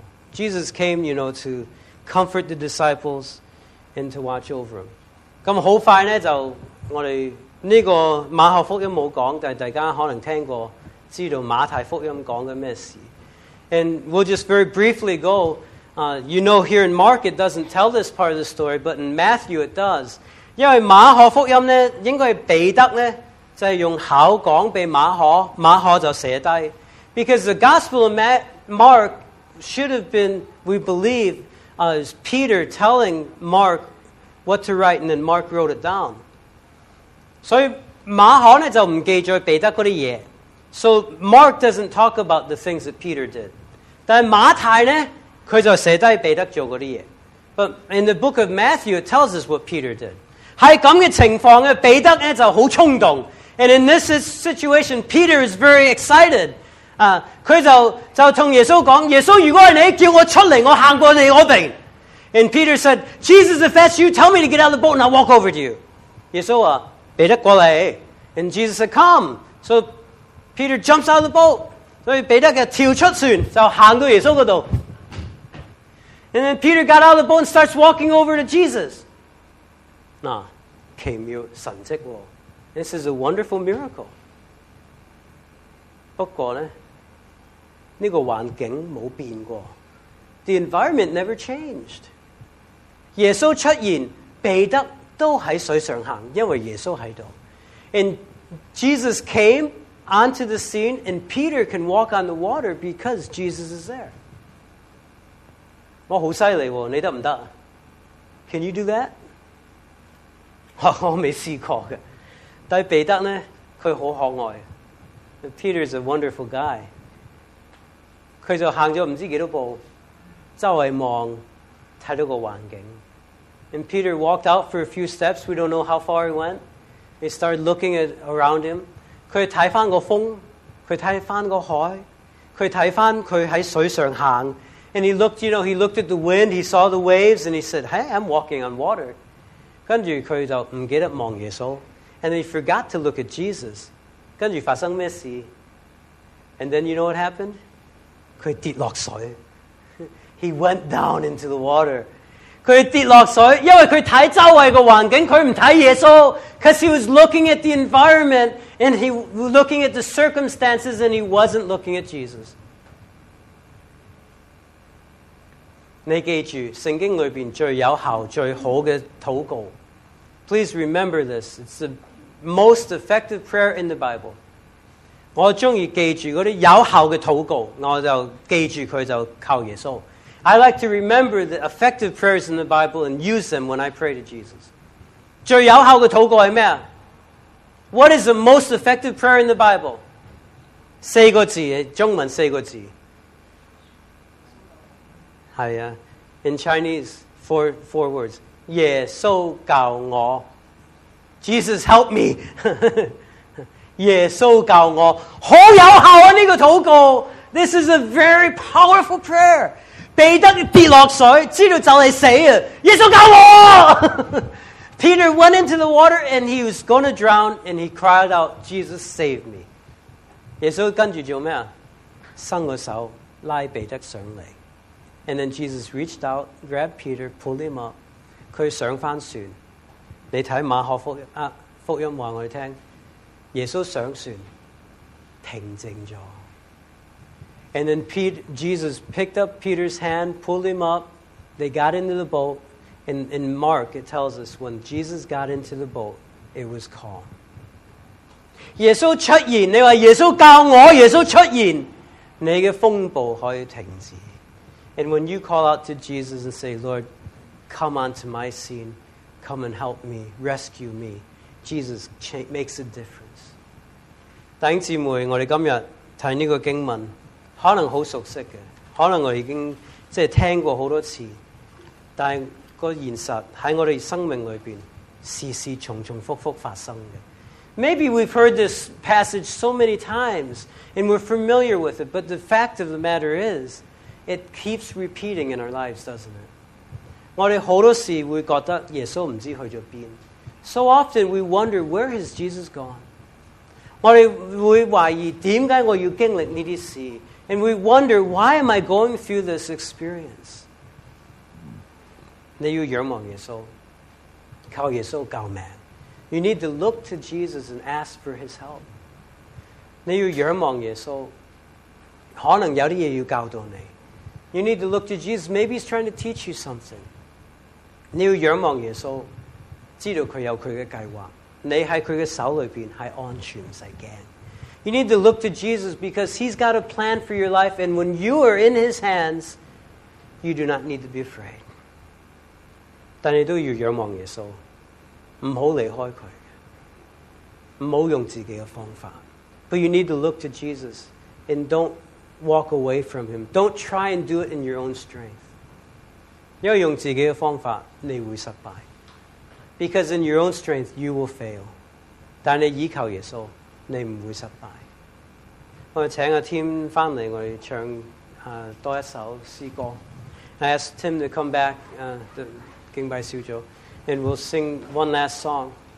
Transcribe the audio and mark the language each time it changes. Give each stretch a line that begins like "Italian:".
English: Jesus came, you know, to comfort the disciples and to watch over them.
Cantonese: 咁好快咧，就我哋呢个马可福音冇讲，但系大家可能听过，知道马太福音讲嘅咩事。
English: And we'll just very briefly go. You know, here in Mark, it doesn't tell this part of the story, but in Matthew, it does.
Cantonese: 因为马可福音咧，应该彼得咧，就系用口讲俾马可，马可就写低。
English: Because the Gospel of Mark should have been, we believe, is Peter telling Mark what to write, and then Mark wrote it down.
Cantonese: So, 马可呢就唔记载彼得嗰啲嘢。
English: So, Mark doesn't talk about the things that Peter did.
Cantonese: 但马太呢，佢就写低彼得做嗰啲嘢。
English: But in the book of Matthew, it tells us what Peter did.
Cantonese: 喺咁嘅情况彼得呢就好冲动。
English: And in this situation, Peter is very excited.
Cantonese: 他就跟耶稣说，耶稣如果是你叫我出来，我走过你那边。
English: And Peter said, Jesus, if that's you, tell me to get out of the boat and I'll walk over to you.
Cantonese: 耶稣说，彼得过来。
English: And Jesus said, come. So Peter jumps out of the boat.
Cantonese: 所以彼得就跳出船，就行到耶稣嗰度。
English: And then Peter got out of the boat and starts walking over to Jesus.
Cantonese: 那奇妙神迹喎。
English: This is a wonderful miracle.
Cantonese: 不过呢，这个环境冇变过。
English: The environment never changed.
Cantonese: 耶稣出现，彼得都在水上行，因为耶稣在这里。
English: And Jesus came onto the scene and Peter can walk on the water because Jesus is there.
Cantonese: 我好犀利喎，你得唔得 ？
English: Can you do that？
Cantonese: 我未试过嘅，但系彼得呢，佢好可爱。
English: Peter is a wonderful guy。
Cantonese: 佢就行咗唔知几多步，周围望，睇到个环境。
English: And Peter walked out for a few steps. We don't know how far he went. He started looking at around him.
Cantonese: 佢睇翻个风，佢睇翻个海，佢睇翻佢喺水上行。
English: And he looked, you know, he looked at the wind, he saw the waves, and he said, hey, I'm walking on water.
Cantonese: 跟住佢就唔记得望耶稣。
English: And he forgot to look at Jesus.
Cantonese: 跟住发生咩事？
English: And then you know what happened?
Cantonese: 佢跌落水。
English: He went down into the water.
Cantonese: 佢跌落水，因为佢睇周围个环境，佢唔睇耶稣。
English: Because he was looking at the environment, and he was looking at the circumstances, and he wasn't looking at Jesus.
Cantonese: 你记住圣经里面最有效最好的祷告。
English: Please remember this. It's the most effective prayer in the Bible.
Cantonese: 我喜欢记住那些有效的祷告，我就记住它就靠耶稣。
English: I like to remember the effective prayers in the Bible and use them when I pray to Jesus.
Cantonese: 最有效的祷告是什么？
English: What is the most effective prayer in the Bible?
Cantonese: 四个字，中文四个字。是啊
English: ，in Chinese four words.
Cantonese: 耶稣教我
English: ，Jesus help me.
Cantonese: 耶稣教我，好有效啊！这个祷告 ，
English: This is a very powerful prayer.
Cantonese: 彼得跌落水，知道就系死啊！耶稣教我。
English: Peter went into the water and he was going to drown and he cried out, "Jesus save me."
Cantonese: 耶稣跟住做咩啊？伸个手拉彼得上嚟。
English: And then Jesus reached out, grabbed Peter, pulled him up.
Cantonese: 他上翻船。你睇马可福音话我哋听，耶稣上船，平静咗。
English: And then Jesus picked up Peter's hand, pulled him up. They got into the boat. And in Mark, it tells us when Jesus got into the boat, it was calm.
Cantonese: 耶稣出现，你话耶稣教我，耶稣出现，你嘅风暴可以停止。
English: And when you call out to Jesus and say, Lord, come onto my scene, come and help me, rescue me, Jesus makes a difference.
Cantonese: 弟兄姊妹，我们今天看这个经文，可能很熟悉的，可能我已经听过很多次，但是那个现实在我们生命里面，时时重重复复发生的。
English: Maybe we've heard this passage so many times, and we're familiar with it, but the fact of the matter is,It keeps repeating in our lives, doesn't it?
Cantonese: 我们很多时会觉得耶稣不知去了哪里。
English: So often we wonder, where has Jesus gone?
Cantonese: 我们会怀疑为什么我要经历这些事。
English: And we wonder, why am I going through this experience?
Cantonese: 你要仰望耶稣，靠耶稣救命。
English: You need to look to Jesus and ask for his help.
Cantonese: 你要仰望耶稣，可能有些事要教导你。
English: You need to look to Jesus. Maybe he's trying to teach you something.
Cantonese: 你要仰望耶稣，知道他有他的计划。你在他的手里面是安全，不用怕。
English: You need to look to Jesus because he's got a plan for your life. And when you are in his hands, you do not need to be afraid.
Cantonese: 但你都要仰望耶稣，不要离开他，不要用自己的方法。
English: But you need to look to Jesus and don't. Walk away from him. Don't try and do it in your own strength.
Cantonese: 因为用自己的方法，你会失败。
English: Because in your own strength, you will fail.
Cantonese: 但你依靠耶稣，你不会失败。我们请 Tim 回来，我们唱多一首诗歌。
English: I ask Tim to come back, the 敬拜小组, and we'll sing one last song.